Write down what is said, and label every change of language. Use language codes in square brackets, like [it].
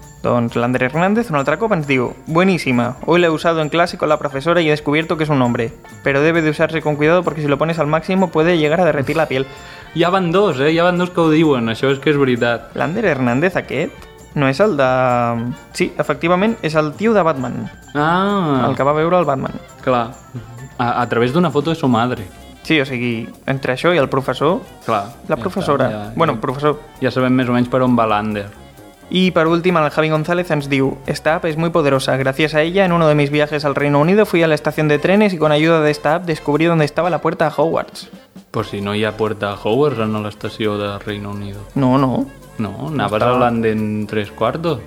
[ca] Doncs l'André Hernández un altre cop ens diu: [es] buenísima, hoy la he usado en clase con la profesora y he descubierto que es un hombre, pero debe de usarse con cuidado porque si lo pones al máximo puede llegar a derretir la piel. [ca] Ja van dos, eh? Ja van dos que ho diuen, això és que és veritat. L'André Hernández aquest no és el de... Sí, efectivament, és el tio de Batman. Ah. El que va veure el Batman. Clar, a través d'una foto [es] de su madre. [ca] Sí, o sigui, entre això i el professor... Clar. La professora. Ja està, ja. Bueno, professor. Ja sabem més o menys per on va l'Ander. [es] Y por último, el Javi González nos dice: esta app es muy poderosa. Gracias a ella, en uno de mis viajes al Reino Unido, fui a la estación de trenes y con ayuda de esta app descubrí dónde estaba la puerta a Hogwarts. Pues si no hay puerta a Hogwarts, no a la estación del Reino Unido. No, no. No, anabas al andén tres cuartos.